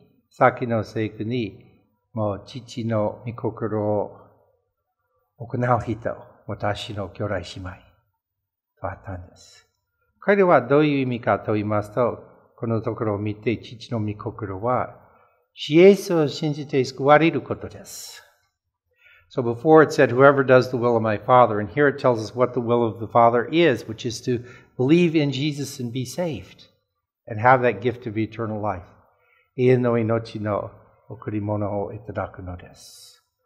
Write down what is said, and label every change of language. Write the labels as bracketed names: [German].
[Japanese] 先の聖句に、もう父の御心を行う人、私の兄弟姉妹とあったんです。これはどういう意味かと言いますと、このところを見て父の御心は、イエスを信じて救われることです。 [English] So before it said, whoever does the will of my Father, and here it tells us what the will of the Father is, which is to believe in Jesus and be saved, and have that gift of eternal life. [Japanese] 永遠の命の贈り物をいただくのです。